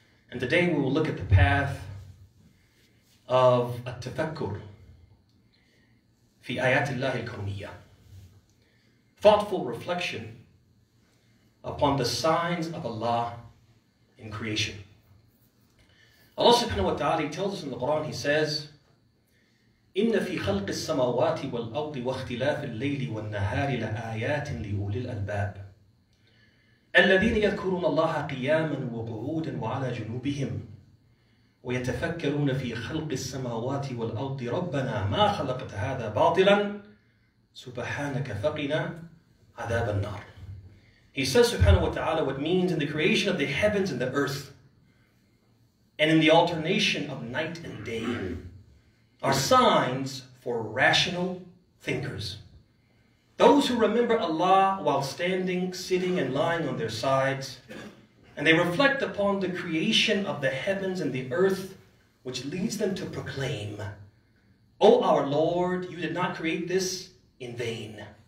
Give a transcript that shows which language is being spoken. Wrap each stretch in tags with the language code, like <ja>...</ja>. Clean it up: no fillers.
<en>And today we will look at the path of</en> <ar>at-tafakkur fi ayatillahi al-kawniyya,</ar> <en>thoughtful reflection upon the signs of Allah in creation. Allah subhanahu wa ta'ala tells us in the Quran, he says,</en> <ar>إِنَّ فِي خَلْقِ السَّمَوَاتِ وَالْأَرْضِ وَاخْتِلَافِ اللَّيْلِ وَالنَّهَارِ لَآيَاتٍ لِأُولِي الْأَلْبَابِ الَّذِينَ يَذْكُرُونَ اللَّهَ قِيَامًا وَقُعُودًا وَعَلَى جُنُوبِهِمْ وَيَتَفَكَّرُونَ فِي خَلْقِ السَّمَاوَاتِ وَالْأَرْضِ رَبَّنَا مَا خَلَقْتَ هَذَا بَاطِلًا سُبْحَانَكَ فَقِنَا عَذَابَ النَّارِ.</ar> <en>He says subhanahu wa ta'ala what means in the creation of the heavens and the earth and in the alternation of night and day are signs for rational thinkers. Those who remember Allah while standing, sitting, and lying on their sides, and they reflect upon the creation of the heavens and the earth, which leads them to proclaim, O our Lord, you did not create this in vain.</en>